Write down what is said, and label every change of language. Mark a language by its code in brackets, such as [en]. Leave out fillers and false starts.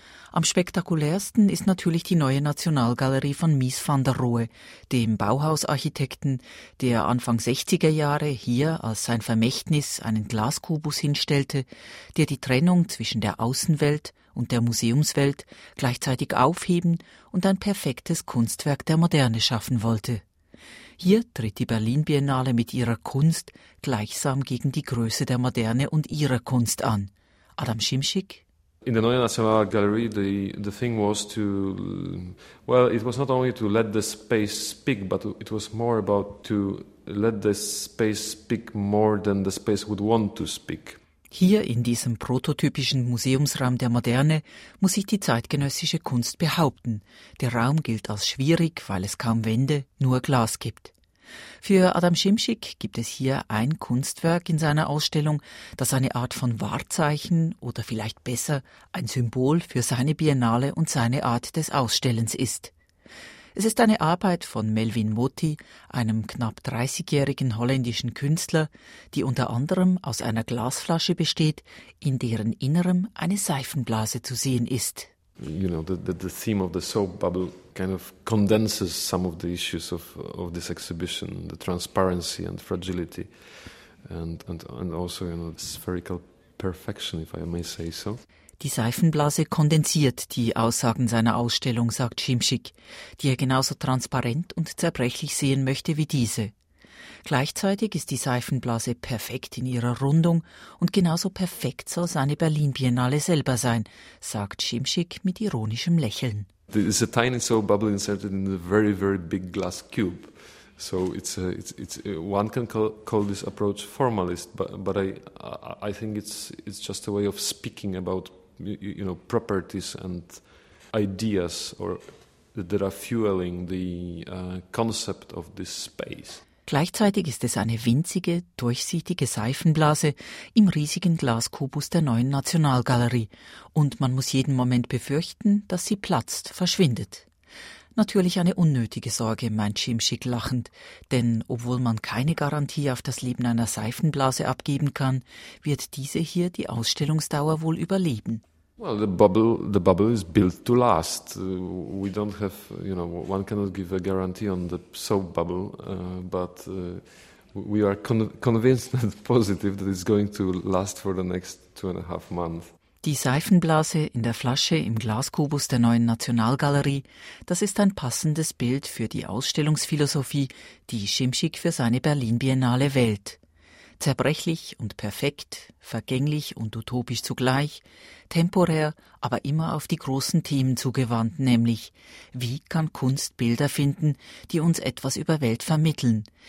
[de] Am spektakulärsten ist natürlich die neue Nationalgalerie von Mies van der Rohe, dem Bauhausarchitekten, der Anfang 60er Jahre hier als sein Vermächtnis einen Glaskubus hinstellte, der die Trennung zwischen der Außenwelt und der Museumswelt gleichzeitig aufheben und ein perfektes Kunstwerk der Moderne schaffen wollte. Hier tritt die Berlin-Biennale mit ihrer Kunst gleichsam gegen die Größe der Moderne und ihrer Kunst an. Adam Simsik. [en] In der Neuen Nationalgalerie, the thing was to, well, it was not only to let the space speak, but it was more about to let the space speak more than the space would want to speak. [de] Hier in diesem prototypischen Museumsraum der Moderne muss sich die zeitgenössische Kunst behaupten. Der Raum gilt als schwierig, weil es kaum Wände, nur Glas gibt. Für Adam Simsik gibt es hier ein Kunstwerk in seiner Ausstellung, das eine Art von Wahrzeichen oder vielleicht besser ein Symbol für seine Biennale und seine Art des Ausstellens ist. Es ist eine Arbeit von Melvin Motti, einem knapp 30-jährigen holländischen Künstler, die unter anderem aus einer Glasflasche besteht, in deren Innerem eine Seifenblase zu sehen ist. [en] You know, the theme of the soap bubble kind of condenses some of the issues of this exhibition, the transparency and fragility and also, you know, the spherical perfection, if I may say so. [de] Die Seifenblase kondensiert die Aussagen seiner Ausstellung, sagt Simsik, die er genauso transparent und zerbrechlich sehen möchte wie diese. Gleichzeitig ist die Seifenblase perfekt in ihrer Rundung und genauso perfekt soll seine Berlin-Biennale selber sein, sagt Simsik mit ironischem Lächeln. [en] There is a tiny soap bubble inserted in a very, very big glass cube. So it's one can call this approach formalist, but I think it's just a way of speaking about, you know, properties and ideas or that are fueling the concept of this space. [de] Gleichzeitig ist es eine winzige, durchsichtige Seifenblase im riesigen Glaskubus der neuen Nationalgalerie, und man muss jeden Moment befürchten, dass sie platzt, verschwindet. Natürlich eine unnötige Sorge, meint Simsik lachend, denn obwohl man keine Garantie auf das Leben einer Seifenblase abgeben kann, wird diese hier die Ausstellungsdauer wohl überleben. [en] Well, the bubble is built to last. We don't have, you know, one cannot give a guarantee on the soap bubble, but we are convinced and positive that it's going to last for the next 2.5 months. [de] Die Seifenblase in der Flasche im Glaskubus der neuen Nationalgalerie, das ist ein passendes Bild für die Ausstellungsphilosophie, die Simsik für seine Berlin-Biennale wählt. zerbrechlich und perfekt, vergänglich und utopisch zugleich, temporär, aber immer auf die großen Themen zugewandt, nämlich: Wie kann Kunst Bilder finden, die uns etwas über Welt vermitteln?